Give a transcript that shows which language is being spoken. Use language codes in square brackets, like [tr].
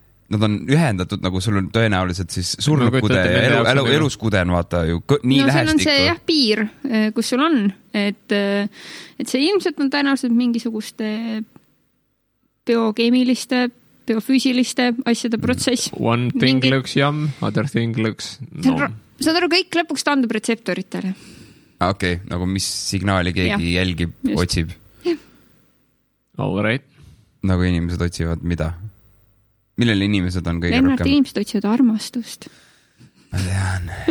[et] Nad on ühendatud, nagu sul on tõenäoliselt siis surnukude ja eluskude on vaata ju nii lähestik. No see on see jah, piir, kus sul on. Et see ilmselt on tõenäoliselt mingisuguste biokeemiliste, biofüüsiliste asjade protsess. [en] One thing looks yum, other thing looks no. [et] Saad aru, kõik lõpuks taandub retseptoritele. Okei, okay, nagu mis signaali keegi jälgib, otsib. [en] All right. [et] Nagu inimesed otsivad mida? Millel inimesed on kõige rohkem? Lennart, inimesed otsivad armastust. Ma tean.